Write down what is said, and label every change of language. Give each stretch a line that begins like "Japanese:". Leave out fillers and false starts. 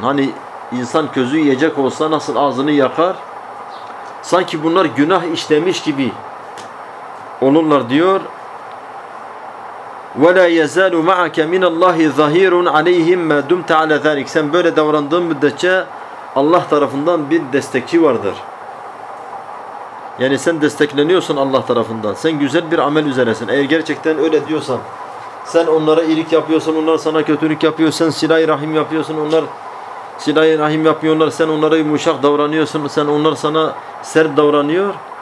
Turkish: Hani insan közü yiyecek olsa nasıl ağzını yakar? Sanki bunlar günah işlemiş gibi olurlar diyor.
Arabic: وَلَا يَزَالُ مَعَكَ مِنَ اللّٰهِ ظَهِيرٌ عَلَيْهِمْ مَا دُمْتَ عَلَى ذَٰلِكَ
Turkish: Sen böyle davrandığın müddetçe Allah tarafından bir destekçi vardır. Yani sen destekleniyorsun Allah tarafından. Sen güzel bir amel üzeresin. Eğer gerçekten öyle diyorsan, sen onlara iyilik yapıyorsun, onlar sana kötülük yapıyor. Sen silah-ı rahim yapıyorsun, onlar silah-ı rahim yapıyorlar. Sen onlara yumuşak davranıyorsun, sen onlar sana sert davranıyor.